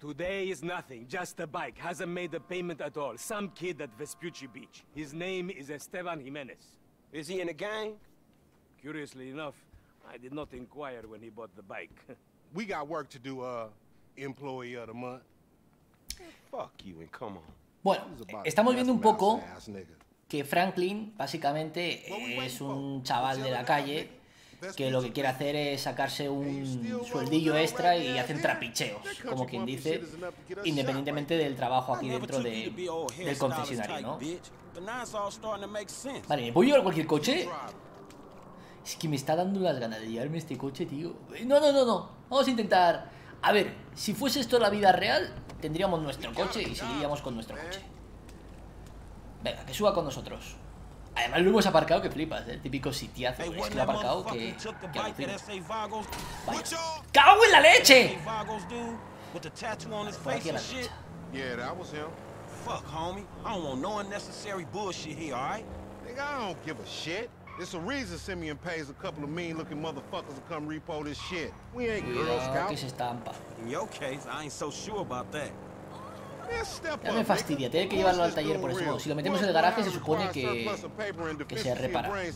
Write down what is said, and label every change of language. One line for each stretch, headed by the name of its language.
English: Today is nothing. Just a bike. Hasn't made a payment at all. Some kid at Vespucci Beach. His name is Esteban Jimenez. Is he in a gang? Curiously enough, I did not inquire when he bought the bike. We got work to do, Employee of the Month. Fuck you and come on.
Spanish: Bueno, estamos viendo un poco... que Franklin básicamente es un chaval de la calle que lo que quiere hacer es sacarse un sueldillo extra y hacen trapicheos, como quien dice, independientemente del trabajo aquí dentro del concesionario, ¿no? Vale, ¿me puedo llevar cualquier coche? Es que me está dando las ganas de llevarme este coche, tío. No, vamos a intentar. A ver, si fuese esto la vida real, tendríamos nuestro coche y seguiríamos con nuestro coche. Venga, que suba con nosotros. Además lo hemos aparcado, que flipas, el típico sitiazo. Hey, es que lo ha aparcado, que vaya. ¡Cago en la leche!
English: It's a reason Simeon pays a couple of mean-looking motherfuckers to come repo this shit. We ain't Girl Scouts. In your case, I ain't so sure about that.
Spanish: Ya me fastidia, tiene que llevarlo al taller por ese modo. Si lo metemos en el garaje se supone que se repara.